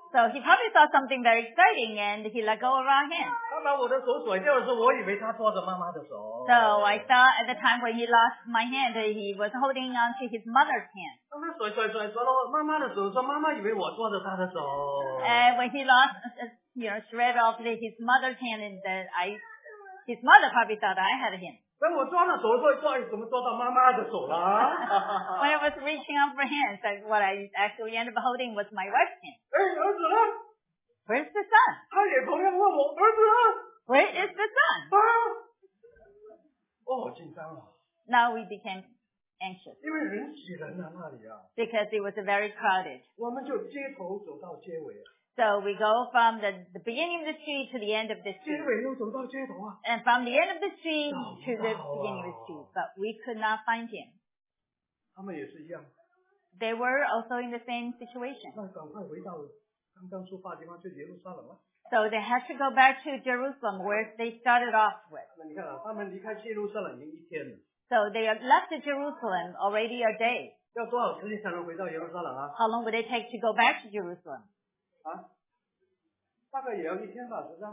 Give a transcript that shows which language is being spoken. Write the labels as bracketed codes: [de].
[en] So he probably saw something very exciting and he let go of our hand. [zh] 他把我的手甩掉的时候，我以为他抓着妈妈的手。 [en] So I saw at the time when he lost my hand, he was holding on to his mother's hand. [zh] 他甩了妈妈的手，说妈妈以为我抓着他的手。 [en] And when he lost, shred off his mother's hand, his mother probably thought I had him. [zh] 等我抓了手，说怎么抓到妈妈的手了？ [en] When I was reaching out for hands, what I actually ended up holding was my wife's hand. [zh] 哎，儿子呢？ [en] Where's the son? [zh] 他也同样问我，儿子呢？ [en] Where is the son? [zh] 哦，紧张了。 [en] Now we became anxious. [zh] 因为人挤人啊，那里啊。 [en] Because it was very crowded. [zh] 我们就街头走到街尾啊。 [en] So we go from the beginning of the street to the end of the street. [zh] 街尾又走到街头啊。 [en] And from the end of the street to the beginning of the street. But we could not find him. [zh] 他们也是一样。 [en] They were also in the same situation. [zh] 那赶快回到刚刚出发的地方，去耶路撒冷啊。 [en] So they had to go back to Jerusalem where they started off with. [zh] 那你看啊，他们离开耶路撒冷已经一天了。 [en] So they have left Jerusalem already a day. [zh] 要多少时间才能回到耶路撒冷啊？ [en] How long would it take to go back to Jerusalem? [zh] 啊，大概也要一天吧，是不是？